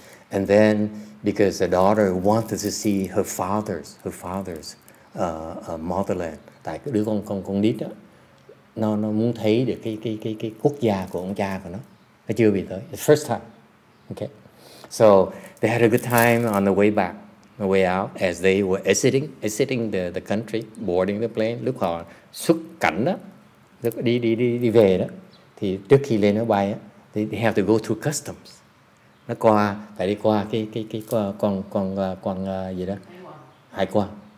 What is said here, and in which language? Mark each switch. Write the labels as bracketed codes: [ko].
[en] And then because the daughter wanted to see her father's motherland. [vi] Tại cái đứa con nít đó nó muốn thấy được cái quốc gia của ông cha của nó chưa bị tới. [en] It's first time. Okay. So they had a good time on the way back, the way out, as they were exiting the country, boarding the plane. [vi] Lúc họ xuất cảnh đó, lúc đi về đó, thì trước khi lên máy bay á, [en] they have to go through customs. [vi] Nó qua, phải đi qua cái hải quan.